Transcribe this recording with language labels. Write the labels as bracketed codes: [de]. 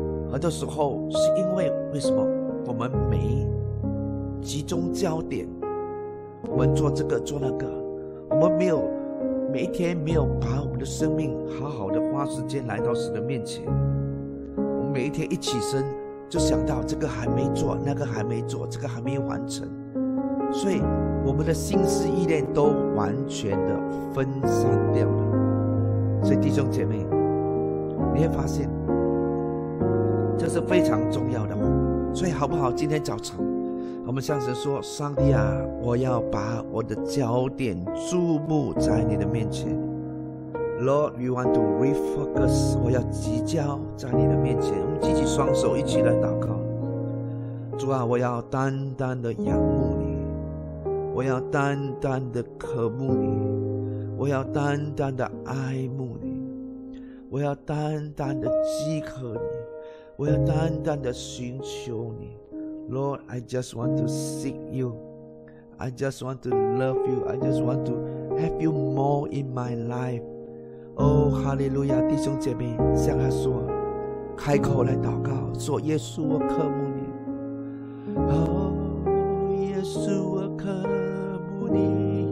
[zh] 很多时候是因为为什么我们没集中焦点，我们做这个做那个，我们没有每一天没有把我们的生命好好的花时间来到神的面前，我们每一天一起身就想到这个还没做，那个还没做，这个还没完成，所以我们的心思意念都完全的分散掉了。所以弟兄姐妹，你会发现这是非常重要的。所以好不好，今天早晨我们向神说，上帝啊，我要把我的焦点注目在你的面前。 Lord, we want to refocus，我要聚焦在你的面前。我们举起双手一起来祷告，主啊，我要单单的仰慕你，我要单单的渴慕你，我要单单的爱慕你，我要单单的饥渴你，我要单单的寻求你。 [en] Lord, I just want to seek you. I just want to love you. I just want to have you more in my life. [zh] Oh, hallelujah, 弟兄姐妹，向他说，开口来祷告，说，耶稣，我渴慕你。 Oh, 耶稣，我渴慕你。